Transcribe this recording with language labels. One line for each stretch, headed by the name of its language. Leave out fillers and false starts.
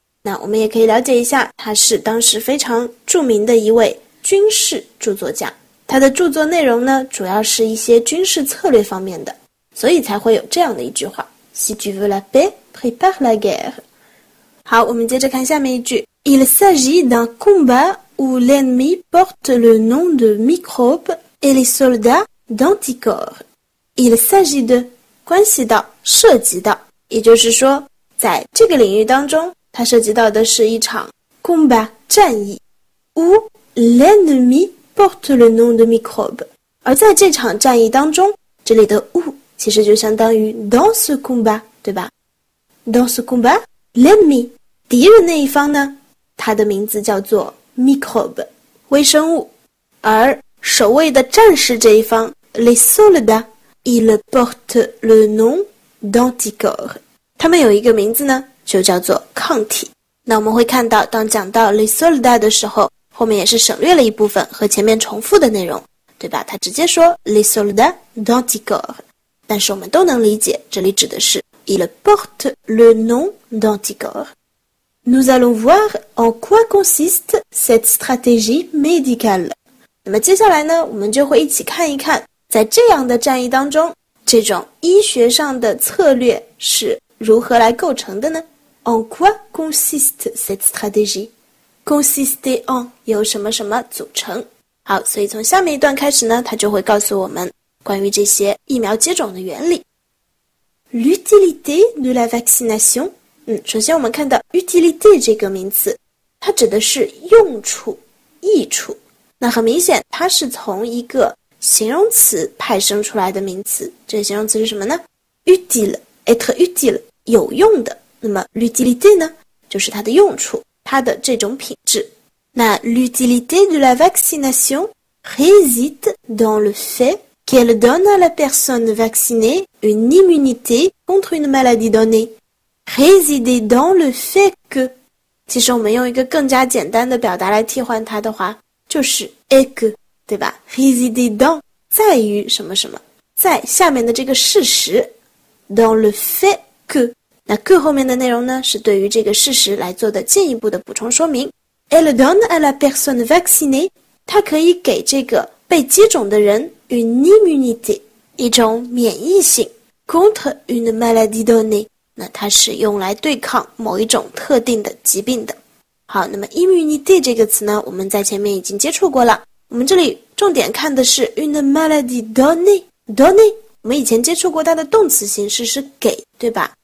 Chinese: 那我们也可以了解一下，他是当时非常著名的一位军事著作家，他的著作内容呢主要是一些军事策略方面的，所以才会有这样的一句话
French: Si tu veux la paix, prépare la guerre.
Chinese: 好，我们接着看下面一句。
French: Il s'agit d'un combat où l'ennemi porte le nom de microbes et les soldats d'anticorps. Il s'agit de
Chinese: 关系到，涉及到，也就是说，在这个领域当中，它涉及到的是一场 combat 战役
French: où l'ennemi porte le nom de microbes.
Chinese: 而在这场战役当中，这里的 où。其实就相当于
French: dans ce combat，
Chinese: 对吧？
French: dans ce combat， l'ennemi
Chinese: 敌人那一方呢，他的名字叫做 microbe， 微生物。而守卫的战士这一方
French: les soldats， ils portent le nom d'anticorps，
Chinese: 他们有一个名字呢，就叫做抗体。那我们会看到，当讲到
French: les soldats
Chinese: 的时候，后面也是省略了一部分和前面重复的内容，对吧？他直接说
French: les soldats d'anticorps。
Chinese: 但是我们都能理解，这里指的是
French: Il porte le nom d'anticorps. Nous allons voir en quoi consiste cette stratégie médicale.
Chinese: 那么接下来呢，我们就会一起看一看，在这样的战役当中，这种医学上的策略是如何来构成的呢？
French: En quoi consiste cette stratégie? Consiste en
Chinese: 由什么什么组成。好，所以从下面一段开始呢，它就会告诉我们关于这些疫苗接种的原理。
French: L'utilité de la vaccination，
Chinese: 首先我们看到 utilité 这个名词，它指的是用处、益处。那很明显，它是从一个形容词派生出来的名词。这个形容词是什么呢？
French: utile， être utile， 有用的。
Chinese: 那么
French: l'utilité
Chinese: 呢，就是它的用处，它的这种品质。
French: 那 l'utilité de la vaccination réside dans le faitQu'elle donne à la personne vaccinée une immunité contre une maladie donnée. Résider dans le fait que.
Chinese: 其实我们用一个更加简单的表达来替换它的话，就是
French: et que，
Chinese: 对吧？
French: Résider dans
Chinese: 在于什么什么，在下面的这个事实 ，
French: dans le fait que。
Chinese: 那 que 后面的内容呢，是对于这个事实来做的进一步的补充说明。
French: Elle donne à la personne vaccinée，
Chinese: 它可以给这个被接种的人。
French: une immunité，
Chinese: 一种免疫性
French: contre une maladie donnée，
Chinese: 那它是用来对抗某一种特定的疾病的。好，那么 immunité 这个词呢，我们在前面已经接触过了，我们这里重点看的是
French: une maladie donnée，
Chinese: donnée 我们以前接触过它的动词形式是给，对吧？